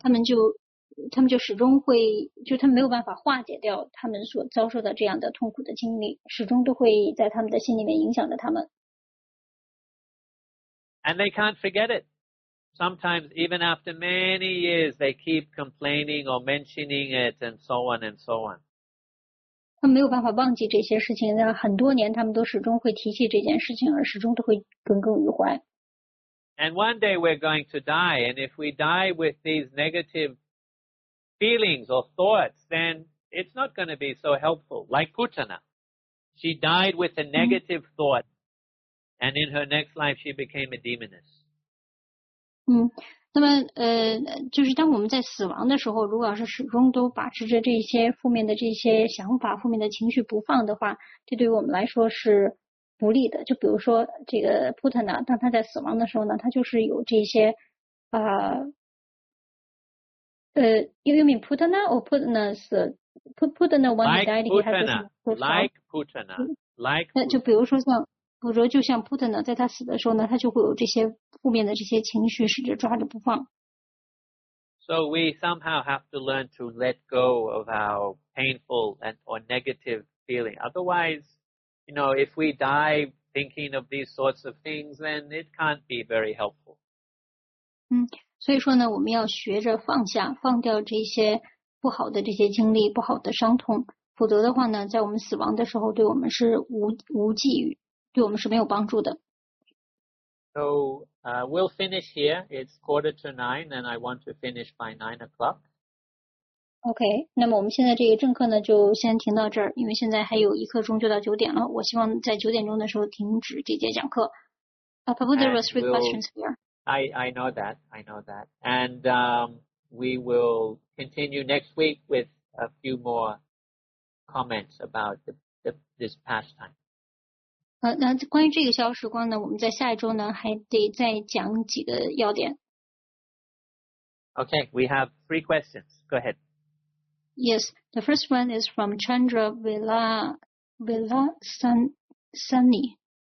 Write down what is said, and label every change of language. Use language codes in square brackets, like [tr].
[zh] 他们就始终会，就他们没有办法化解掉他们所遭受的这样的痛苦的经历，始终都会在他们的心里面影响着他们。 [en] And they can't forget it. Sometimes even after many years, they keep complaining or mentioning it, and so on and so on. [zh] 他们没有办法忘记这些事情，那很多年他们都始终会提起这件事情，而始终都会耿耿于怀。 [en] And one day we're going to die, and if we die with these negative feelings or thoughts, then it's not going to be so helpful. Like Putana, she died with a negative thought, and in her next life she became a demoness. [zh] 那么就是当我们在死亡的时候，如果要是始终都把持着这些负面的这些想法、负面的情绪不放的话，这对于我们来说是不利的。就比如说这个 Putana， 当他在死亡的时候呢，他就是有这些 [en] you mean Putana or Putana's Putana when he died, he had this like Putana, like Putana. [zh] 就比如说像。否则就像 Putana 在他死的时候呢，他就会有这些负面的这些情绪，使着抓着不放。 [en] So we somehow have to learn to let go of our painful and or negative feeling. Otherwise, you know, if we die thinking of these sorts of things, then it can't be very helpful. [zh] 所以说呢，我们要学着放下，放掉这些不好的这些经历，不好的伤痛。否则的话呢，在我们死亡的时候，对我们是无济于，对我们是没有帮助的。 [en] So, we'll finish here. It's 8:45, and I want to finish by 9:00. [zh] Okay, 那么我们现在这个正课呢，就先停到这儿，因为现在还有一刻钟就到九点了。我希望在九点钟的时候停止这节讲课。 [en] Prabhu, there were three questions here. I know that. I know that. And we will continue next week with a few more comments about this pastime. [zh] 那关于这个消时光呢，我们在下一周呢还得再讲几个要点。 [en] Okay, we have three questions. Go ahead. Yes, the first one is from Chandra Vilasini.